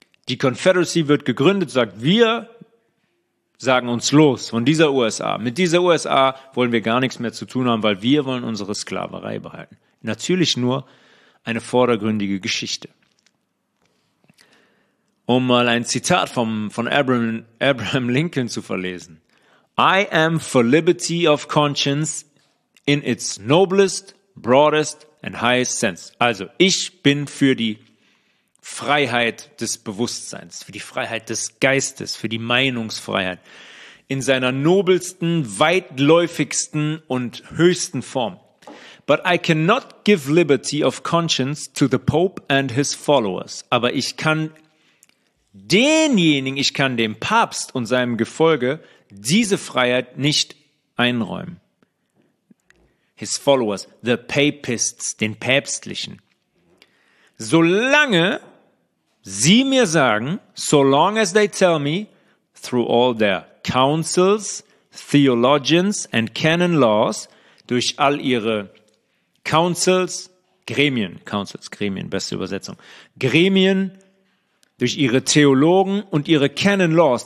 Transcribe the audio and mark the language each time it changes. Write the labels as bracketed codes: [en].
[de] Die Confederacy wird gegründet, sagt, wir sagen uns los von dieser USA. Mit dieser USA wollen wir gar nichts mehr zu tun haben, weil wir wollen unsere Sklaverei behalten. Natürlich nur eine vordergründige Geschichte. Um mal ein Zitat von Abraham Lincoln zu verlesen. [en] I am for liberty of conscience in its noblest, broadest and highest sense. [de] Also, ich bin für die Freiheit des Bewusstseins, für die Freiheit des Geistes, für die Meinungsfreiheit in seiner nobelsten, weitläufigsten und höchsten Form. [en] But I cannot give liberty of conscience to the Pope and his followers. [de] Aber ich kann denjenigen, ich kann dem Papst und seinem Gefolge diese Freiheit nicht einräumen. [en] His followers, the Papists, [de] den Päpstlichen. Solange sie mir sagen, [en] so long as they tell me, through all their councils, theologians and canon laws, [de] durch all ihre Gremien, durch ihre Theologen und ihre canon laws.